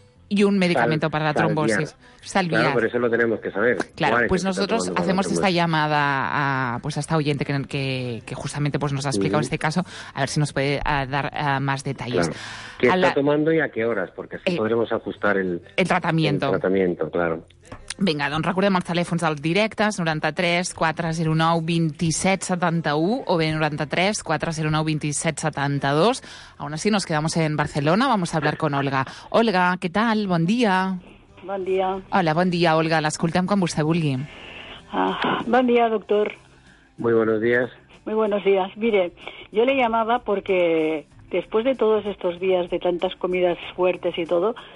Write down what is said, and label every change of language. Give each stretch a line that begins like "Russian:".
Spanish: Y un medicamento para la trombosis. Salviar. Claro, por eso lo tenemos que saber. Claro, pues nosotros hacemos esta llamada a esta oyente que justamente pues nos ha explicado este caso, a ver si nos puede dar más detalles. Claro. ¿Qué está tomando y a qué horas? Porque así podremos ajustar el tratamiento. El tratamiento, claro.
Catalan: Vinga, doncs recordem els telèfons dels directes, 93-409-2771 o bé 93-409-2772.
Spanish: Aún así nos quedamos en Barcelona, vamos a hablar con Olga.
Catalan: Olga, què tal? Bon dia. Bon dia. Hola, bon dia, Olga. L'escoltem quan vostè vulgui. Bon dia, doctor.
Spanish: Muy buenos días. Muy buenos días. Mire, yo le llamaba porque después de todos estos días de tantas comidas fuertes y todo...